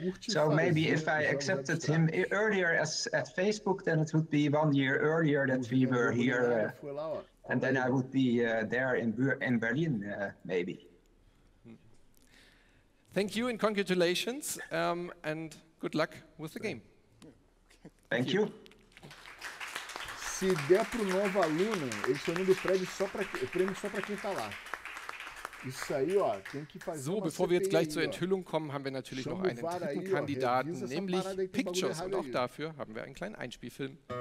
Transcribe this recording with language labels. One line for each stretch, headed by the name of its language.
English: So maybe if I accepted him earlier at Facebook, then it would be 1 year earlier that we were here, and then I would be there in Berlin, maybe. Thank you and congratulations, and good luck with the game. Thank you.
Portuguese: Se der pro novo aluno, eles estão dando o prêmio só para quem está lá. Isso aí, ó, tem que fazer.
German: So, bevor wir jetzt gleich zur Enthüllung kommen, haben wir natürlich noch einen dritten Kandidaten, nämlich Pictures. Und auch dafür haben wir einen kleinen Einspielfilm.